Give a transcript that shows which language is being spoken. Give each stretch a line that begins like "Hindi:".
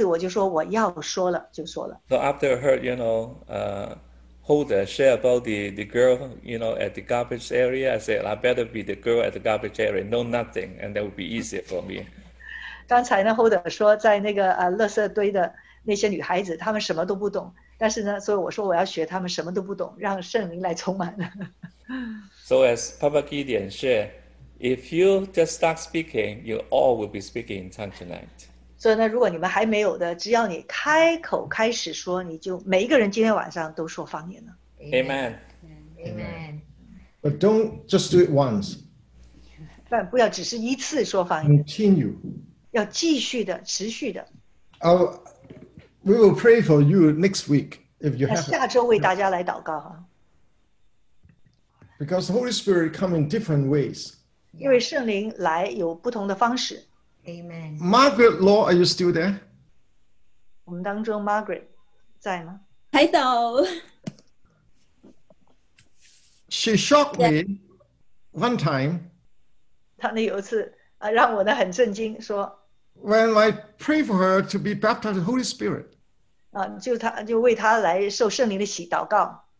Chinese: 那以前人家按手就说你现在开口就可以说了，那我以为开口，但是也没有声音。但这次我就说我要说了，就说了。
English: So after I heard, you know, Holder share about the girl, you know, at the garbage area, I said I better be the girl at the garbage area, know nothing, and that would be easier for me.
Chinese: 刚才呢，Holder说在那个垃圾堆的那些女孩子，她们什么都不懂，但是呢，所以我说我要学她们什么都不懂，让圣灵来充满。
English: So as Papa Gideon shared, if you just start speaking, you all will be speaking in tongue tonight.
Chinese: 所以呢，如果你们还没有的，只要你开口开始说，你就每一个人今天晚上都说方言了。Amen.
English: Amen. Amen. But don't just do it once.
Chinese: 但不要只是一次说方言。
English: Continue.
Chinese: 要继续的，持续的。
English: We will pray for you next week if you have.
Chinese: 下周为大家来祷告哈。
English: Because the Holy Spirit come in different ways.
Chinese: 因为圣灵来有不同的方式。Amen.
English: Margaret Law, are you still there?
Chinese: 我们当中 Margaret 在吗？还在。
English: She shocked me one time.
Chinese: 她那有一次让我很震惊说。
English: When I pray for her to be baptized with the Holy Spirit.
Chinese: 就为她来受圣灵的洗祷告。